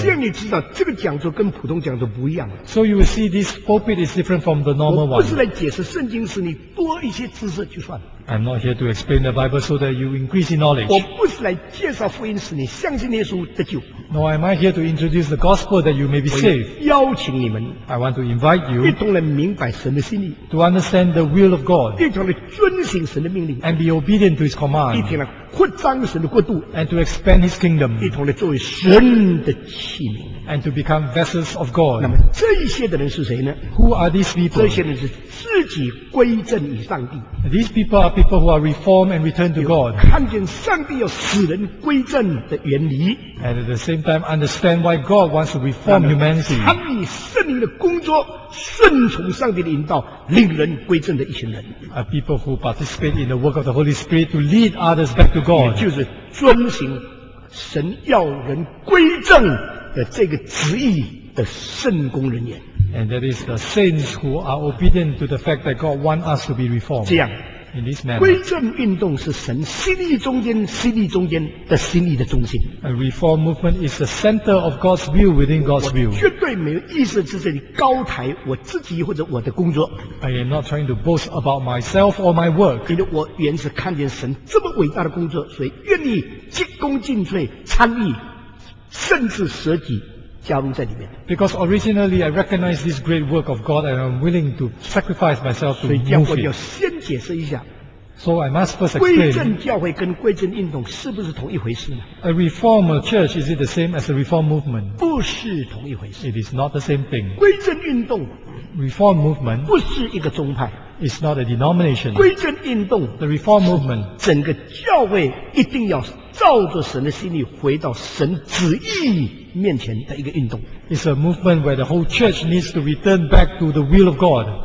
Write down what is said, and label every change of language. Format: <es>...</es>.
<zh>这样你知道这个讲座跟普通讲座不一样。</zh> <en>So you will see this pulpit is different from the normal one.</en> <zh>我不是来解释圣经，是你多一些知识就算。</zh> <en>I'm not here to explain the Bible so that you increase in knowledge.</en> <zh>我不是来介绍福音，是你相信耶稣得救。</zh> <en>No, am I here to introduce the gospel that you may be saved?</en> <zh>我邀请你们。</zh> <en>I want to invite you.</en> <zh>一同来明白神的心意。</zh> <en>To understand the will of God.</en> <zh>一同来遵行神的命令。</zh> <en>And be obedient to His command.</en> <zh>一同来扩张神的国度。</zh> <en>And to expand His kingdom.</en> <zh>一同来作为神的器皿。</zh> <en>And to become vessels of God.</en> <zh>那么这些的人是谁呢？</zh> <en>Who are these people?</en> <zh>这些人是自己归正于上帝。</zh> <en>These people are people who are reformed and returned to God.</en> <zh>看见上帝要使人归正的原理。</zh> <en>And at the same time understand why God wants to reform humanity.</en> <zh>参与圣灵的工作，顺从上帝的引导，令人归正的一群人。</zh> <en>Are people who participate in the work of the Holy Spirit to lead others back to God.</en> <zh>也就是遵行神要人归正的这个旨意的圣工人员。</zh> <en>And that is the saints who are obedient to the fact that God wants us to be reformed.</en> <zh>这样。</zh> <en>In this manner,</en> <zh>归正运动是神心意中间心意中间的心意的中心</zh> <en>A reform movement is the center of God's will within God's will</en> <zh>我绝对没有意思在这里高抬我自己或者我的工作</zh> <en>I am not trying to boast about myself or my work</en> <zh>因为我原是看见神这么伟大的工作所以愿意尽功尽瘁参与甚至舍己加入在里面</zh> <en>Because originally I recognize this great work of God and I'm willing to sacrifice myself to move it.</en> <zh>所以这样我要先解释一下</zh> <en>So I must first explain.</en> <zh>归正教会跟归正运动是不是同一回事呢</zh> <en>？A reform church is it the same as a reform movement？</en> <zh>不是同一回事。</zh> <en>It is not the same thing。</en> <zh>归正运动</zh> <en>，reform movement，</en> <zh>不是一个宗派。</zh> <en>It's not a denomination。</en> <zh>归正运动</zh> <en>，the reform movement，</en> <zh>整个教会一定要照着神的心意回到神旨意面前的一个运动。</zh> <en>It's a movement where the whole church needs to return back to the will of God。</en>